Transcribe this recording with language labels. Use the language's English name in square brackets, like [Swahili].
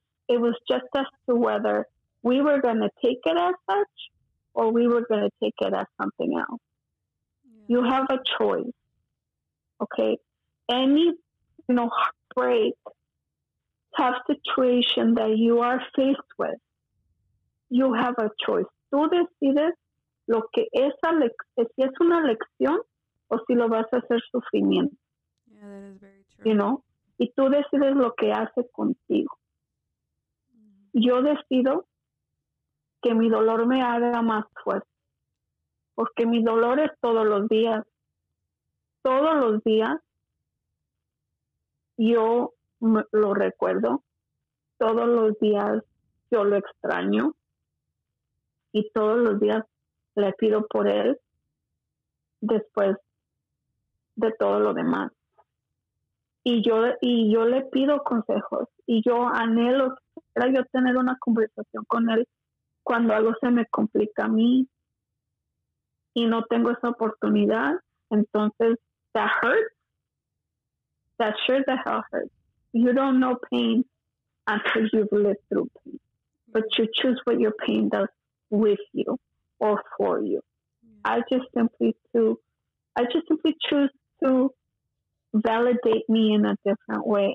[English] It was just as to whether we were going to take it as such or we were going to take it as something else. You have a choice, okay? Any, you know, heartbreak, tough situation that you are faced with, you have a choice. [Spanish] Tú decides lo que esa si es una lección o si lo vas a hacer sufrimiento. [English] Yeah, that is very true. You know? [Spanish] Y tú decides lo que haces contigo. Yo decido que mi dolor me haga más fuerte. Porque mi dolor es todos los días. Todos los días yo lo recuerdo. Todos los días yo lo extraño. Y todos los días le pido por él después de todo lo demás. Y yo le pido consejos. Y yo anhelo era yo tener una conversación con él cuando algo se me complica a mí y no tengo esa oportunidad. [English] Entonces, that hurts. That sure the hell hurts. You don't know pain until you've lived through pain. But you choose what your pain does with you or for you. Yeah. I just simply choose to validate me in a different way.